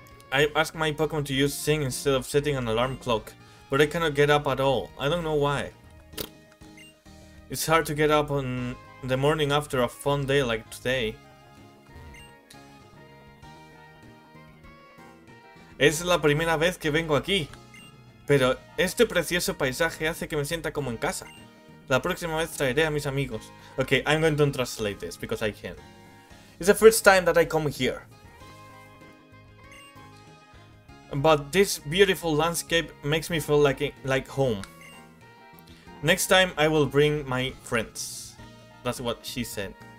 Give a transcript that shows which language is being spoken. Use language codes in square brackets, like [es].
[en] I asked my Pokemon to use Sing instead of setting an alarm clock, but I cannot get up at all. I don't know why. It's hard to get up on the morning after a fun day like today. [es] Es la primera vez que vengo aquí, pero este precioso paisaje hace que me sienta como en casa. La próxima vez traeré a mis amigos. [en] Okay, I'm going to translate this because I can. It's the first time that I come here. But this beautiful landscape makes me feel like home. Next time I will bring my friends. That's what she said.